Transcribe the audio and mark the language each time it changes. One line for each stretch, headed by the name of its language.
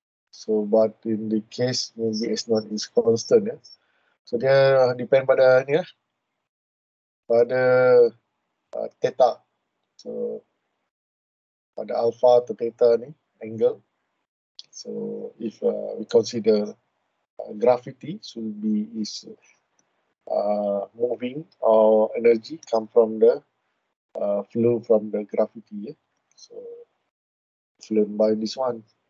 English: So, but in the case maybe it's not is constant. Yeah.
Malay: So dia depend pada ni lah, pada theta. So pada alpha to theta ni angle.
English: So if we consider gravity, so will be is moving or energy come from the flow from the gravity. Yeah. So flown by this one.